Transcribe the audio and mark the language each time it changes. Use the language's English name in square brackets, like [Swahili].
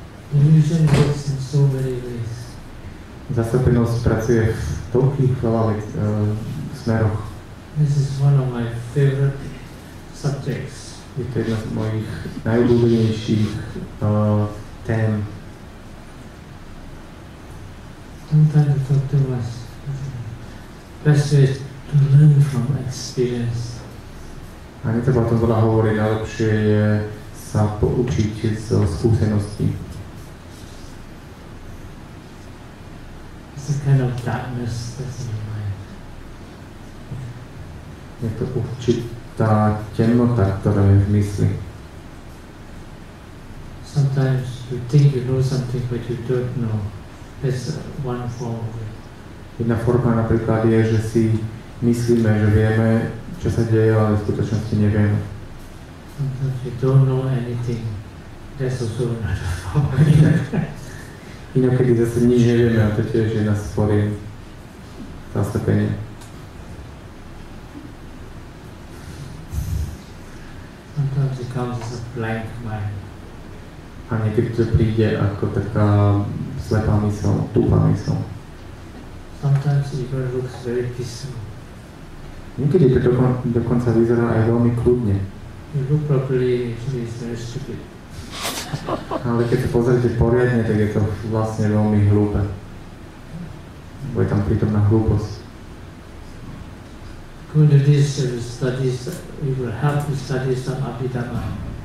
[English] Illusion works in so many ways. [Slovak] Zaslepenosť pracuje v toľkých veľa smeroch. [English] This is one of my favorite subjects. [Slovak] Je to jedna z mojich najobľúbenejších tém. [English] Don't try to talk to us. Best way is to learn from experience. [Slovak] A netreba o tom veľa hovoriť, najlepšie je sa poučiť zo skúseností. [English] It's a kind of darkness that's in your mind. [Slovak] Je to určitá temnota, ktorá je v mysli. [English] Sometimes you think you know something, but you don't know. That's one form of it. [Slovak] Jedna forma napríklad je, že si myslíme, že vieme, čo sa deje, ale v skutočnosti nevieme. [English] Sometimes you don't know anything. That's also another form. [Slovak] Inokedy zase nič nevieme, a to tiež je jedna z foriem zastúpenia. [English] Sometimes it comes as a blank mind. [Slovak] A niekedy to príde ako taká slepá mysl, tupá mysl. [English] Sometimes it even looks very peaceful. [Slovak] Niekedy to dokonca vyzerá aj veľmi kľudne. [English] You look properly, actually it's very stupid. [Slovak] Ale keď sa pozrite poriadne, tak je to vlastne veľmi hlúpe. Bo je tam prítomná hlúposť. [English] Going to this studies, it will help to study some Abhidhamma.